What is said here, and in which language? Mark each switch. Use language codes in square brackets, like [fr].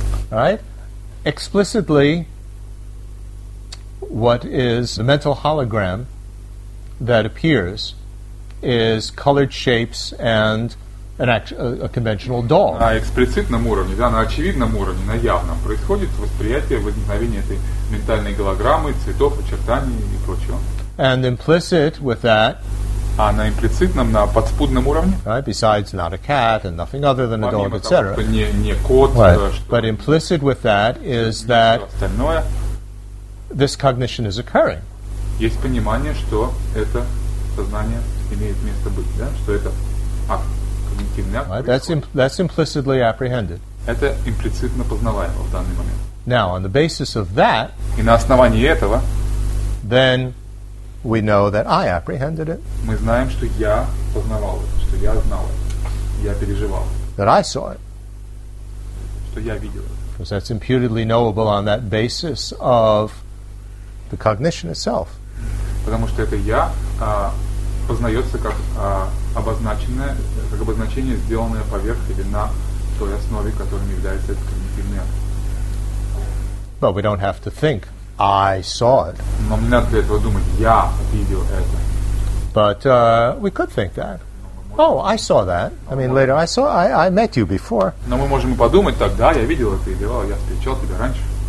[en] Right? Explicitly, what is the mental hologram that appears is colored shapes and a conventional dog. [ru] На эксплицитном уровне, да, на очевидном уровне, на явном происходит восприятие возникновения этой ментальной голограммы, цветов, очертаний и прочего. [en] And implicit with that. [ru] А на имплицитном, на подспудном уровне. [en] Right, besides not a cat and nothing other than a dog, etc. [ru] Не кот. [en] Right. But implicit with that is that. This cognition is occurring. [ru] Есть понимание, что это сознание. Имеет место быть, да? Что это когнитивный акт. [en] Right, that's implicitly apprehended. [ru] Это имплицитно познаваемо в данный момент. [en] Now, on the basis of that, [ru] и на основании этого, [en] then we know that I apprehended it. [ru] Мы знаем, что я познавал это, что я знал это, я переживал. [en] That I saw it. [ru] Что я видел это. [en] Because that's imputedly knowable on that basis of the cognition itself. [ru] Потому что это я познается как обозначенное, как обозначение, сделанное поверх или на той основе, которой является этот когнитивный акт. [en] But we don't have to think, I saw it. [ru] Но не надо для этого думать, я видел это. [en] But we could think that. Oh, I saw that. I мean, later I saw, I met you before. [ru] Но мы можем подумать так, да, я видел это, или, я встречал тебя раньше.